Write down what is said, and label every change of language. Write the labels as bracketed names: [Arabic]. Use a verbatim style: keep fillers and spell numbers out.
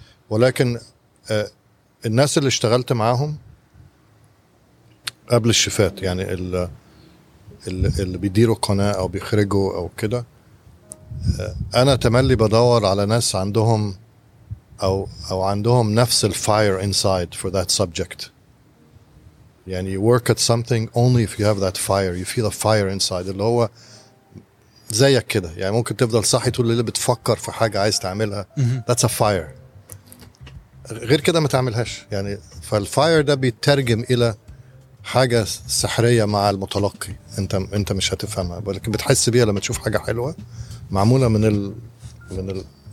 [Arabic] ولكن آه الناس اللي اشتغلت معاهم قبل الشفات يعني اللي, اللي بيديروا قناة أو بيخرجوا أو كده أنا تملي بدور على ناس عندهم أو, أو عندهم نفس الفاير [English] inside for that subject. يعني you work at something only if you have that fire, you feel a fire inside [Arabic] اللي هو زيك كده. يعني ممكن تفضل صاحي طول الليل بتفكر في حاجة عايز تعملها [English] that's a fire. [Arabic] غير كده ما تعملهاش يعني. فالفاير ده بيترجم إلى حاجة سحرية مع المتلقي انت انت مش هتفهمها ولكن بتحس بيها لما تشوف حاجة حلوة معمولة من ال من ال